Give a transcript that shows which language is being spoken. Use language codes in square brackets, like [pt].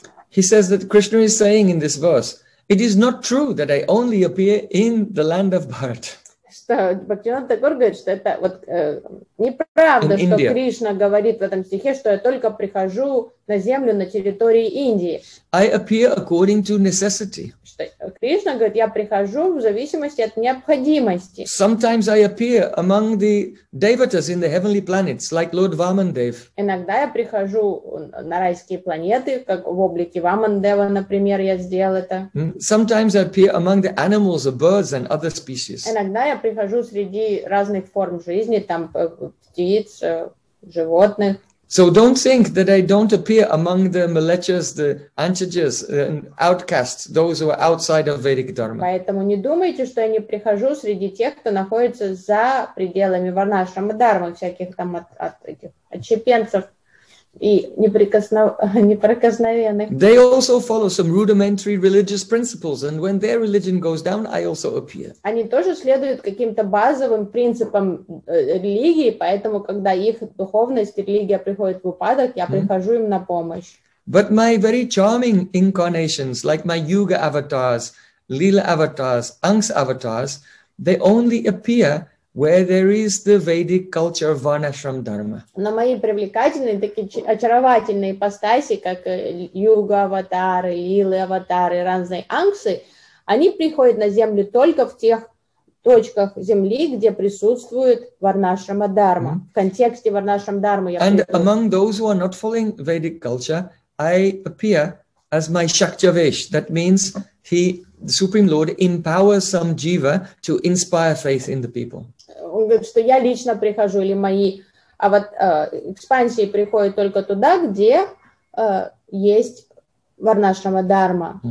[en] He says that Krishna is saying in this verse, it is not true that I only appear in the land of Bharat. [ru] Что Бхактивинода Такур говорит, что это вот неправда, in что Кришна говорит в этом стихе, что я только прихожу на землю на территории Индии. [en] I appear according to necessity. [ru] Что Кришна говорит, я прихожу в зависимости от необходимости. [en] Sometimes I appear among the devatas in the heavenly planets, like Lord Vamandev. [ru] Иногда я прихожу на райские планеты, как в облике Вамандева, например, я сделал это. [en] Sometimes I appear among the animals, or birds, and other species. [ru] Иногда я прихожу среди разных форм жизни, там птиц, животных. [en] So don't think that I don't appear among the malechas, the anchajas, and outcasts, those who are outside of Vedic Dharma. [ru] Поэтому не думайте, что я не прихожу среди тех, кто находится за пределами варнашрама дармы, всяких там от этих отщепенцев и неприкосновенных. [en] They also follow some rudimentary religious principles, and when their religion goes down, I also appear. [ru] Они тоже следуют каким-то базовым принципам религии, поэтому когда их духовность, религия приходит в упадок, я прихожу им на помощь. [en] But my very charming incarnations, like my Yuga avatars, Lila avatars, Angs avatars, they only appear where there is the Vedic culture of Varnashram Dharma. [ru] Но мои привлекательные, такие очаровательные ипостаси, как Юга-аватары, Лилы-аватары, разные ангсы, они приходят на землю только в тех точках земли, где присутствует Варнашрама Дхарма. В контексте Варнашрама Дхарма я And приходит. [en] Among those who are not following Vedic culture, I appear as my Shaktyavesh. That means he, the Supreme Lord, empowers some jiva to inspire faith in the people. [ru] Он говорит, что я лично прихожу, или мои экспансии приходят только туда, где есть Варнашрама Дхарма.